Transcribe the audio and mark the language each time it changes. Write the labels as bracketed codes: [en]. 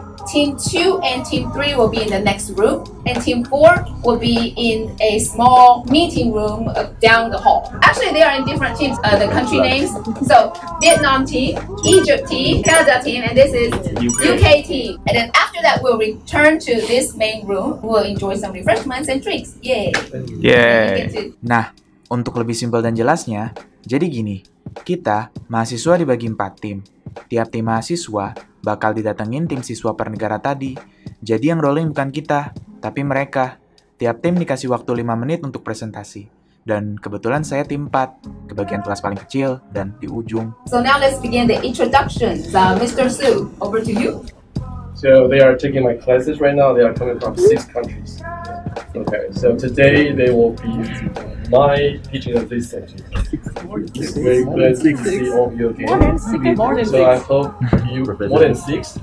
[en] Team 2 and Team 3 will be in the next room. And Team 4 will be in a small meeting room down the hall. Actually, they are in different teams, the country names. So, Vietnam team, Egypt team, Canada team, and this is UK team. And then after that, we'll return to this main room. We'll enjoy some refreshments and drinks. Yay! Yay! [id] Nah, untuk lebih simpel dan jelasnya, jadi gini, kita mahasiswa dibagi 4 tim. Tiap tim mahasiswa bakal didatengin tim siswa per negara tadi. Jadi yang rolling bukan kita, tapi mereka. Tiap tim dikasih waktu 5 menit untuk presentasi. dan kebetulan saya tim 4, kebagian kelas paling kecil dan di ujung. [en] So now let's begin the introduction. Mr. Su, over to you. So they are taking my classes right now. They are coming from 6 countries. Okay, so today they will be my teaching assistant. It's very glad to see all of you again. More than 6. More than 6. So I hope you... More than 6?